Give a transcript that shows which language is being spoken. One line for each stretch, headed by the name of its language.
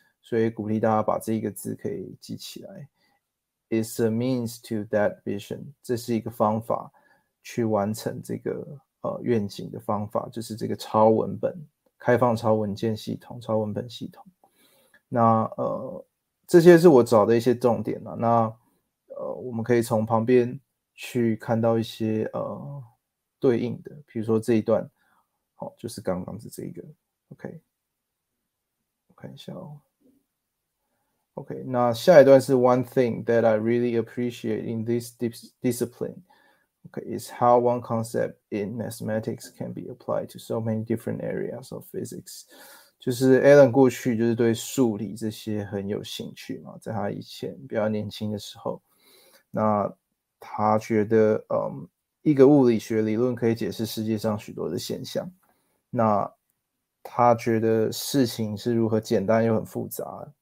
Chinese: 所以鼓励大家把这一个字可以记起来，
English: is a means to that vision，
Chinese: 这是一个方法去完成这个愿景的方法，就是这个超文本开放超文件系统、超文本系统。那这些是我找的一些重点了。那我们可以从旁边去看到一些对应的，比如说这一段，好，就是刚刚的这一个。 OK，我看一下哦。
English: OK，
Chinese: 那下一段是
English: One thing that I really appreciate in this discipline, okay, is how one concept in mathematics can be applied to so many different areas of physics。
Chinese: 就是 Alan 过去就是对数理这些很有兴趣嘛，在他以前比较年轻的时候，那他觉得，一个物理学理论可以解释世界上许多的现象。那他觉得事情是如何简单又很复杂。